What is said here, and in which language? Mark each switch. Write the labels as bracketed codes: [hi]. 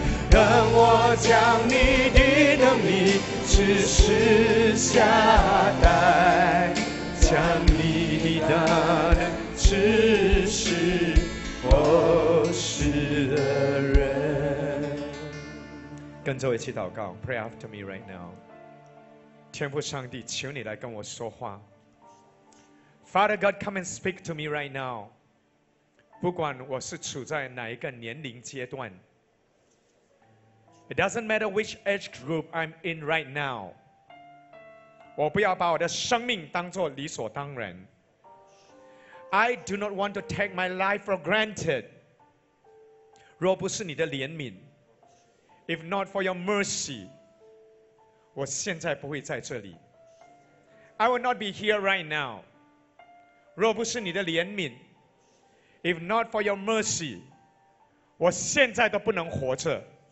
[zh] 让我将你的能力指示下代，将你的大能指示后世的人。跟着我一起祷告， [en] Pray after me right now。 [zh] 天父上帝，求你来跟我说话。 [en] Father God, come and speak to me right now. [zh] 不管我是处在哪一个年龄阶段， [en] It doesn't matter which age group I'm in right now. [zh] 我不要把我的生命当作理所当然。 [en] I do not want to take my life for granted. 若不是你的怜悯， If not for your mercy, [zh] 我现在不会在这里。 [en] I will not be here right now. [zh] 若不是你的怜悯， [en] If not for your mercy， [zh] 我现在都不能活着。